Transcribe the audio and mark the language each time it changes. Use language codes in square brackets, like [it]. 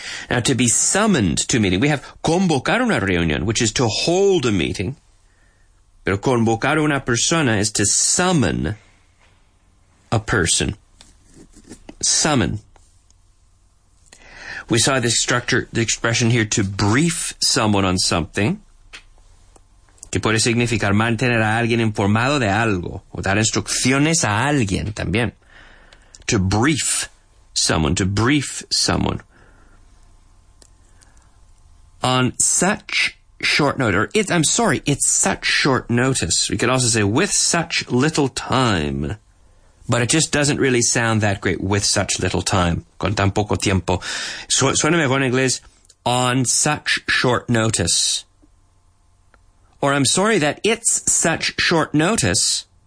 [en] Now, to be summoned to a meeting, we have [es] convocar una reunión, [en] which is to hold a meeting. [es] Pero convocar una persona [en] is to summon a person. Summon. We saw this structure, the expression here, to brief someone on something. [es] Que puede significar mantener a alguien informado de algo. O dar instrucciones a alguien también. [en] To brief someone, to brief someone. On such short notice, it's such short notice. We could also say with such little time. But it just doesn't really sound that great, with such little time. [es] Con tan poco tiempo. Suena mejor en inglés, [en] on such short notice. Or I'm sorry that it's such short notice.